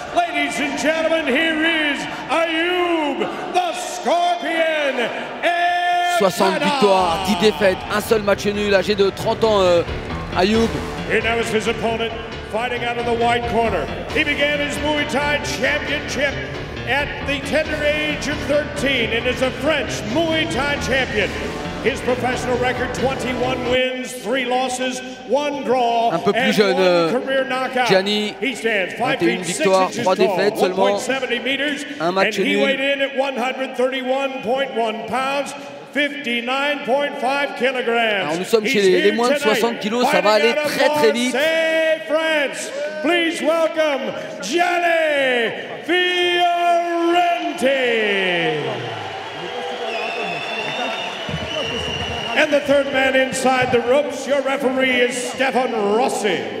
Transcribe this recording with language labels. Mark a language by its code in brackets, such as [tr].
[en] Ladies and gentlemen, here is Ayoub, the Scorpion. [fr] 60 victoires, 10 défaites, un seul match nul, âgé de 30 ans, Ayoub. [en] Here now is his opponent, fighting out of the white corner. He began his Muay Thai championship at the tender age of 13 and is a French Muay Thai champion. His professional record, 21 wins, 3 losses, 1 draw, [fr] un peu plus jeune, [en] career knockout. [fr] Gianni, 21 victoires, 3 défaites seulement, un match nul. [en] And he weighed in at 131.1 pounds, 59.5 kilograms. [fr] Alors nous sommes chez les moins de 60 kilos, ça va aller très très vite. [en] France, please welcome Gianni Fioranti. And the third man inside the ropes, your referee is Stefan Rossi.